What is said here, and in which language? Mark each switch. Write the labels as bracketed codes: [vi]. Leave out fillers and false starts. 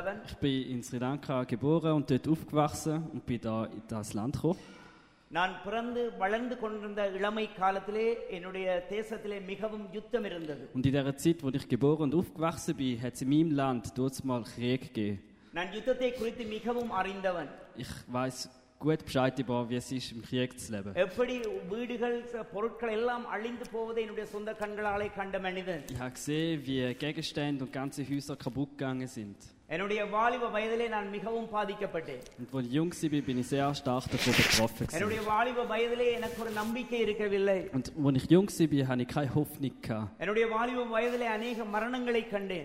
[de] Ich bin in Sri Lanka geboren und dort aufgewachsen und bin da in das Land gekommen. [ta] நான் பிறந்து வளர்ந்து கொண்டிருந்த இளமை காலத்திலே என்னுடைய தேசத்திலே மிகவும் யுத்தம் இருந்தது. [de] Und in der Zeit, wo ich geboren und aufgewachsen bin, hat es in meinem Land dort mal Krieg gegeben. [ta] நான் யுத்தத்தை குறித்து மிகவும் அறிந்தவன். [de] Ich weiß gut Bescheid über, wie es ist, im Krieg zu leben. [ta] எப்படி வீடுகள் பொருட்கள் எல்லாம் அழிந்து போவதை என்னுடைய சொந்த கண்களாலே கண்ட மனிதன். [de] Ich habe gesehen, wie Gegenstände und ganze Häuser kaputt gegangen sind. [ta] என்னுடைய வாலிப வயதிலே நான் மிகவும் பாதிக்கப்பட்டேன். [de] Und wo bin ich sehr stark davon betroffen. [ta] என்னுடைய வாலிப வயதிலே எனக்கு ஒரு நம்பிக்கை இருக்கவில்லை. [de] Und wo ich jung war, hatte ich keine Hoffnung. [ta] என்னுடைய வாலிப வயதிலே அநேக மரணங்களை கண்டேன்.